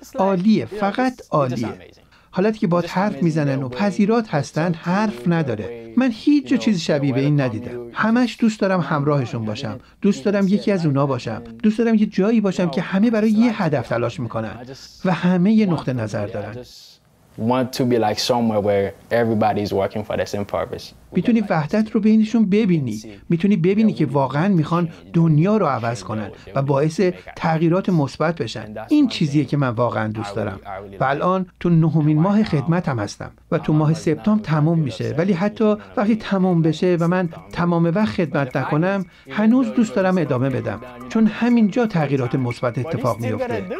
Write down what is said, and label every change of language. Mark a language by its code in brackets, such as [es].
[fa] عالیه، فقط عالیه. حالا که باهات حرف میزنن و پذیرات هستن، حرف نداره. من هیچ چیز شبیه به این ندیدم. همش دوست دارم همراهشون باشم، دوست دارم یکی از اونا باشم، دوست دارم یه جایی باشم که همه برای یه هدف تلاش میکنن و همه یه نقطه نظر دارن. [en] Want to be like somewhere where everybody is working for the same purpose. [fa] میتونی وحدت رو بینشون ببینی، میتونی ببینی که واقعا میخوان دنیا رو عوض کنن و باعث تغییرات مثبت بشن. این چیزیه که من واقعا دوست دارم. و الان تو 9th ماه خدمتم هستم و تو ماه سپتامبر تموم میشه، ولی حتی وقتی تموم بشه و من تمام وقت خدمت نکنم، هنوز دوست دارم ادامه بدم، چون همینجا تغییرات مثبت اتفاق میفته.